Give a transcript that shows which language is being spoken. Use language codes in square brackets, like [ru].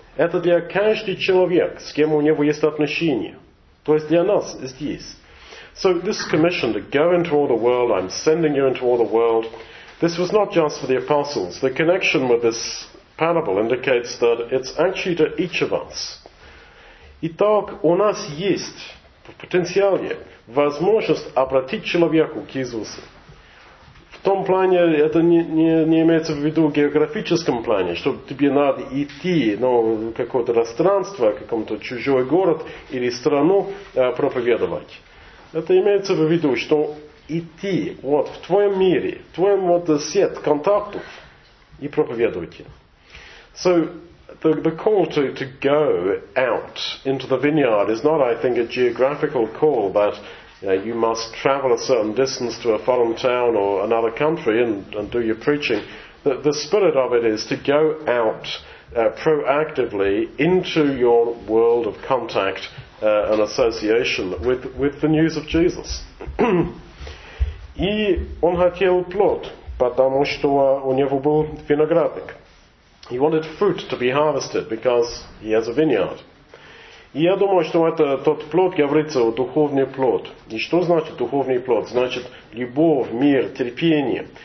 [ru] Это для каждого человека, с кем у него есть отношения. То есть для нас здесь. [en] So this commission to go into all the world, I'm sending you into all the world, this was not just for the apostles. The connection with this parable indicates that it's actually to each of us. [ru] Итак, у нас есть в потенциале возможность обратить человеку к Иисусу. В том плане это не имеется в виду в географическом плане, что тебе надо идти в какое-то пространство, в каком-то чужой город или страну проповедовать. Это имеется в виду, что идти в твоем мире, в твоем сет контактов и проповедуйте. [en] So the call to go out into the vineyard is not, I think, a geographical call, but you must travel a certain distance to a foreign town or another country and do your preaching. The spirit of it is to go out proactively into your world of contact and association with the news of Jesus. [ru] И он хотел плод, потому что у него был виноградник. [en] He wanted fruit to be harvested because he has a vineyard. [ru] И я думаю, что это тот плод, говорится, духовный плод. И что значит духовный плод? Значит, любовь, мир, терпение.